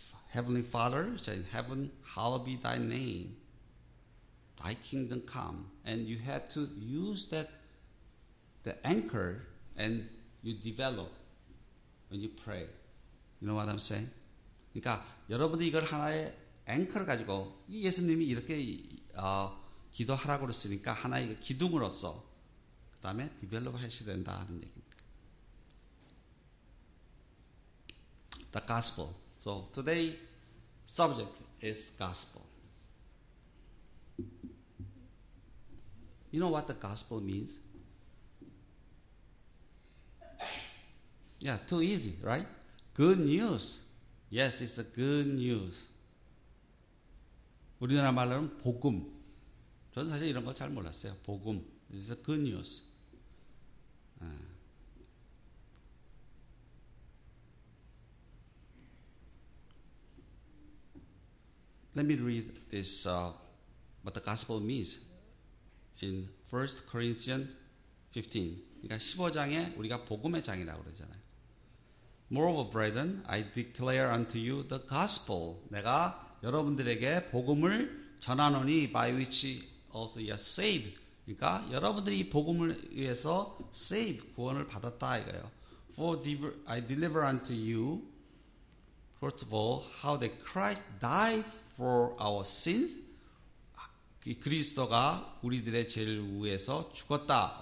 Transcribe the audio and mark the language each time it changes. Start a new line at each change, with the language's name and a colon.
English: Heavenly Father, in heaven, hallowed be thy name. Thy kingdom come. And you have to use that, the anchor, and you develop when you pray. You know what I'm saying?
Korean: 그러니까 여러분들 이걸 하나의 앵커를 가지고 예수님이 이렇게 기도하라고 했으니까 하나의 기둥으로서 그 다음에 디벨롭 하셔야 된다 하는 얘기입니다.
English: The gospel. So today subject is gospel. You know what the gospel means? Yeah, too easy, right? Good news. Yes, it's a good news.
Korean: 우리나라 말로는 복음. 저는 사실 이런 거 잘 몰랐어요.
English: 복음. It's a good news. 아. Let me read this, what the gospel means in 1 Corinthians 15.
Korean: 그러니까 15장에 우리가 복음의 장이라고 그러잖아요.
English: Moreover, brethren, I declare unto you the gospel.
Korean: 내가 여러분들에게 복음을 전하노니
English: by which also you are saved.
Korean: 그러니까 여러분들이 이 복음을 위해서 saved, 구원을 받았다 이거예요.
English: For I deliver unto you, first of all, how that Christ died for our sins.
Korean: 그리스도가 우리들의 죄를 위해서 죽었다.